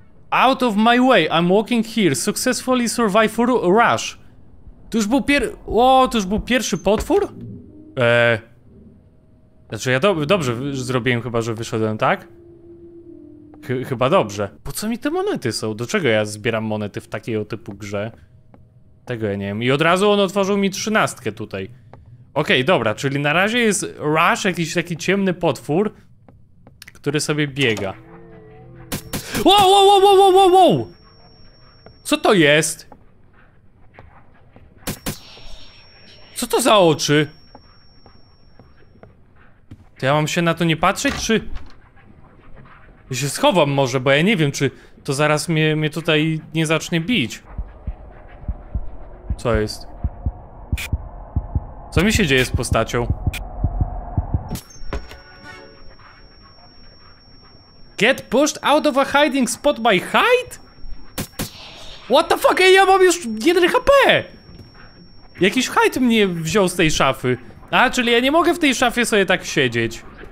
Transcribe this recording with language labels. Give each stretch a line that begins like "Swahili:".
English: Out of my way, I'm walking here. Successfully survive rush.
Polish: To już był pierwszy potwór? Znaczy ja dobrze zrobiłem chyba, że wyszedłem, tak? Chyba dobrze. Po co mi te monety są? Do czego ja zbieram monety w takiej o typu grze? Tego ja nie wiem. I od razu on otworzył mi trzynastkę tutaj. Okej, dobra, czyli na razie jest Rush, jakiś taki ciemny potwór, który sobie biega. Wow! Co to jest? Co to za oczy? To ja mam się na to nie patrzeć, czy... Ja się schowam może, bo ja nie wiem, czy to zaraz mnie tutaj nie zacznie bić. Co jest? Co mi się dzieje z postacią?
English: Get pushed out of a hiding spot by hide? What the fuck?
Polish: Ja mam już 1 HP! Jakiś hajt mnie wziął z tej szafy. A, czyli ja nie mogę w tej szafie sobie tak siedzieć.